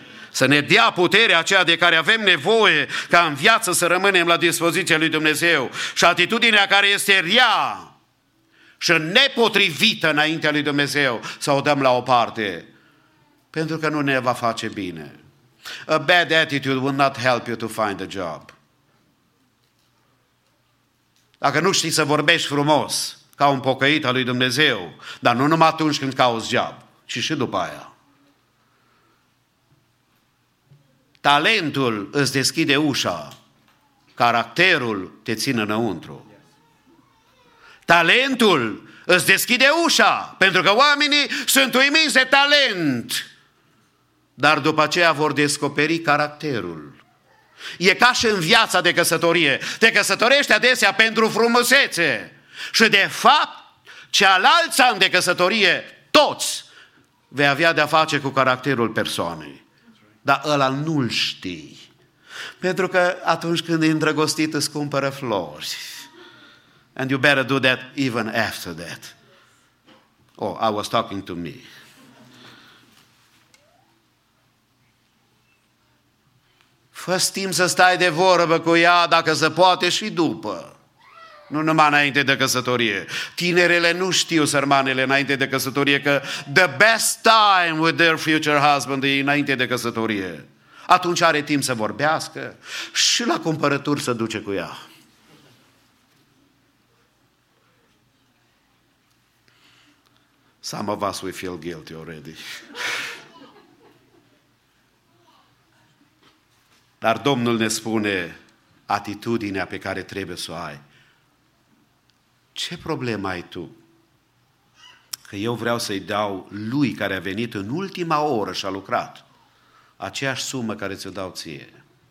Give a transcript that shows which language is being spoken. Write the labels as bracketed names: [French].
[Romanian] Să ne dea puterea aceea de care avem nevoie ca în viață să rămânem la dispoziția lui Dumnezeu și atitudinea care este rea și nepotrivită înaintea lui Dumnezeu să o dăm la o parte, pentru că nu ne va face bine. [English] A bad attitude will not help you to find a job. [Romanian] Dacă nu știi să vorbești frumos ca un pocăit al lui Dumnezeu, dar nu numai atunci când cauți job, ci și după aia. Talentul îți deschide ușa, caracterul te ține înăuntru. Talentul îți deschide ușa, pentru că oamenii sunt uimiți de talent, dar după aceea vor descoperi caracterul. E ca și în viața de căsătorie, te căsătorești adesea pentru frumusețe și de fapt, cealaltă an de căsătorie, toți vei avea de-a face cu caracterul persoanei. Dar ăla nu-l știi. Pentru că atunci când e îndrăgostit, îți cumpără flori. [English] And you better do that even after that. Oh, I was talking to me. [Romanian] Fă-ți timp să stai de vorbă cu ea, dacă se poate, și după. Nu numai înainte de căsătorie. Tinerele nu știu, sărmanele, înainte de căsătorie, că [English] the best time with their future husband [Romanian] e înainte de căsătorie. Atunci are timp să vorbească și la cumpărături să duce cu ea. [English] Some of us, we feel guilty already. [Romanian] Dar Domnul ne spune atitudinea pe care trebuie să o ai. Ce problemă ai tu? Că eu vreau să-i dau lui care a venit în ultima oră și a lucrat aceeași sumă care ți-o dau ție.